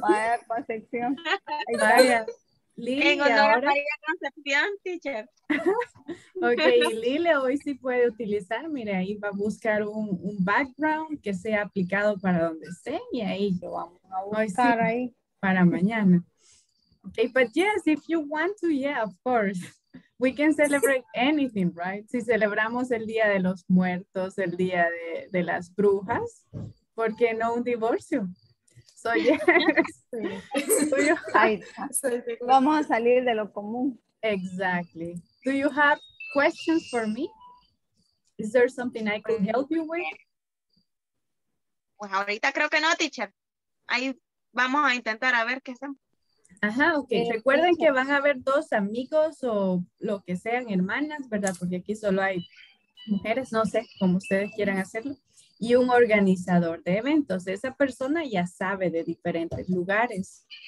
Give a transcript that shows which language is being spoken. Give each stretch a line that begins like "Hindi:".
Spanish: Vaya, concepción. Vaya. Lili, en honor a María Concepción, teacher. Ok, Lili hoy sí puede utilizar, mire, ahí va a buscar un background que sea aplicado para donde esté y ahí lo vamos a buscar sí, ahí. Para mañana.
English: Ok, but yes, if you want to, yeah, of course. We can celebrate anything, right?
Spanish: Si celebramos el Día de los Muertos, el Día de las Brujas, ¿por qué no un divorcio?
English: So, yes.
Spanish: Sí.
English: Do you have...
Spanish: Vamos a salir de lo común.
English: Exactly. Do you have questions for me? Is there something I could help you with?
Spanish: Pues ahorita creo que no, teacher. Ahí vamos a intentar a ver qué hacemos. Ajá, ok. Recuerden que van a haber dos amigos o lo que sean, hermanas, ¿verdad? Porque aquí solo hay mujeres, no sé, como ustedes quieran hacerlo. Y un organizador de eventos. Esa persona ya sabe de diferentes lugares.